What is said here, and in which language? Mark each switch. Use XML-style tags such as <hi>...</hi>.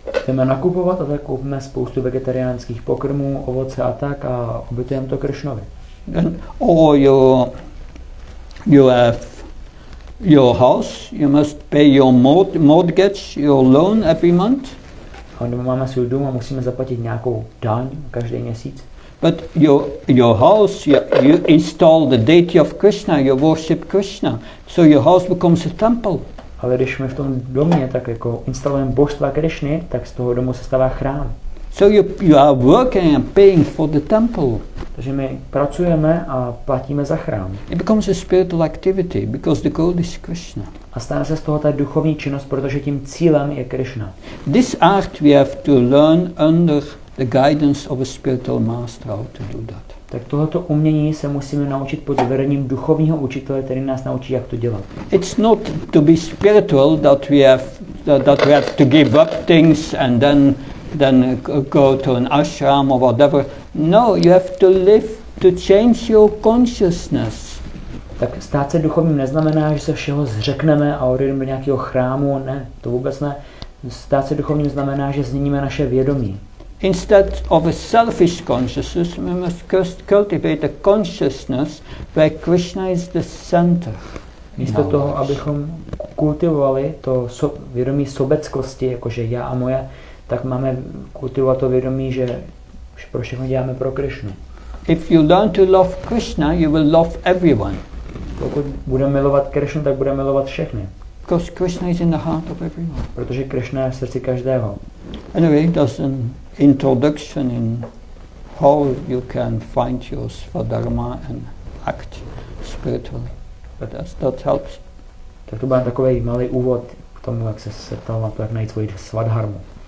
<cs>Jdeme nakupovat a tak koupíme spoustu vegetariánských pokrmů, ovoce a tak a obětujeme to Krishnovi.</cs> <en>Or you have your house, you must pay your mortgage, your loan every month.</en> <cs>A nebo máme svůj dům a musíme zaplatit nějakou daň každý měsíc.</cs> <en>But your house, you install the deity of Krishna, you worship Krishna, so your house becomes a temple.</en> <cs>Ale když my v tom domě tak jako instalujeme božstva Krishny, tak z toho domu se stává chrám.</cs> <en>So you are working and paying for the temple.</en> <cs>Takže my pracujeme a platíme za chrám.</cs> <en>It becomes a spiritual activity because the goal is Krishna.</en> <cs>A stává se z toho ta duchovní činnost, protože tím cílem je Krishna.</cs> <en>This art we have to learn under the guidance of a spiritual master how to do that.</en> <cs>Tak tohoto umění se musíme naučit pod vedením duchovního učitele, který nás naučí, jak to dělat.</cs> <en>It's not to be spiritual that we have to give up things and then go to an ashram or whatever. No, you have to live to change your consciousness.</en> <cs>Tak stát se duchovním neznamená, že se všeho zřekneme a odejdeme do nějakého chrámu, ne, to vůbec ne. Stát se duchovním znamená, že změníme naše vědomí.</cs> <en>Instead of a selfish consciousness, we must cultivate a consciousness where Krishna is the center.</en> <cs>Místo toho, abychom kultivovali to vědomí sobeckosti, jakože já a moje, tak máme kultivovat to vědomí, že pro všechno děláme pro Krishnu.</cs> <en>If you learn to love Krishna, you will love everyone.</en> <cs>Pokud budeme milovat Krishnu, tak budeme milovat všechny.</cs> <en>Because Krishna is in the heart of everyone.</en> <cs>Protože Krishna je v srdci každého.</cs> <en>Anyway, there's an introduction in how you can find your svadharma and act spiritually. But that helps.</en> <cs>Tak to byl takový malý úvod k tomu, jak se setal na to, jak najít svoji svadharmu.</cs>